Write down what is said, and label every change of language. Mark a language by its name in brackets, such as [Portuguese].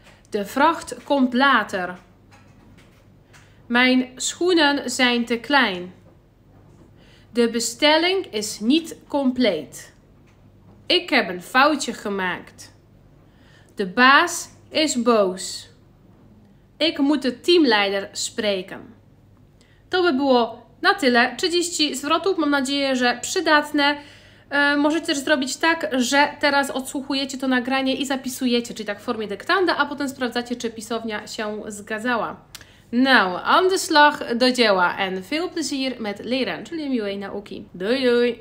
[Dutch] De vracht komt later. Mijn schoenen zijn te klein. De bestelling is niet compleet. Ik heb een foutje gemaakt. De baas is boos. Ik moet de teamleider spreken. [Polish] To by było na tyle. 30 zwrotów. Mam nadzieję, że przydatne. Możecie też zrobić tak, że teraz odsłuchujecie to nagranie i zapisujecie, czyli tak w formie dyktanda, a potem sprawdzacie, czy pisownia się zgadzała. [Dutch] Nou, aan de slag, [Polish] do dzieła [Dutch] en veel plezier met leren, [Polish] czyli miłej nauki. [Dutch] Doei, doei!